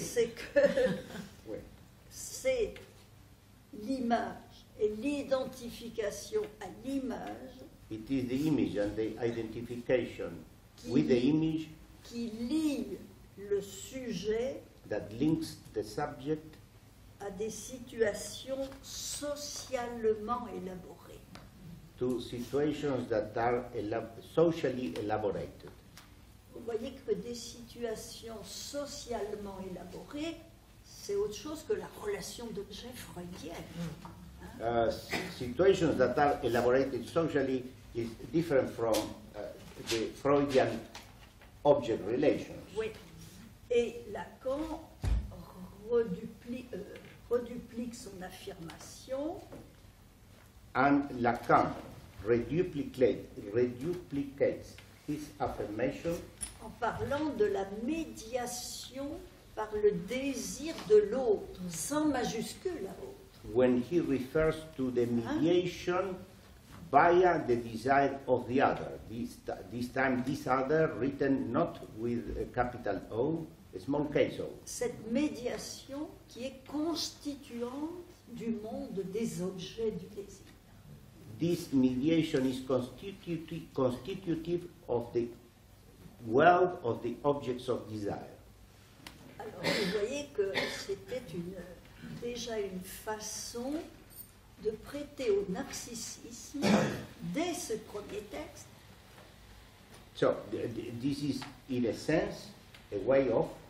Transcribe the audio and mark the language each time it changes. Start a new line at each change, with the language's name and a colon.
French: C'est que c'est l'image et l'identification à l'image.
English: It is the image and the identification with the image
French: qui lie le sujet
English: that links the subject
French: à des situations socialement élaborées.
English: To situations that are socially elaborated.
French: Vous voyez que des situations socialement élaborées, c'est autre chose que la relation d'objet freudienne. Hein?
English: Situations that are elaborated socially is different from the Freudian object relations.
French: Oui. Et Lacan reduplique son affirmation.
English: And Lacan reduplicates his affirmation
French: en parlant de la médiation par le désir de l'autre, sans majuscule à l'autre.
English: When he refers to the mediation via the desire of the other, this time this other written not with a capital O, a small case O.
French: Cette médiation qui est constituante du monde des objets du désir.
English: This mediation is constitutive of the world of the objects of desire.
French: Alors, vous voyez que c'était déjà une façon de prêter au narcissisme dès ce premier texte.
English: So, this is, in a sense, a way of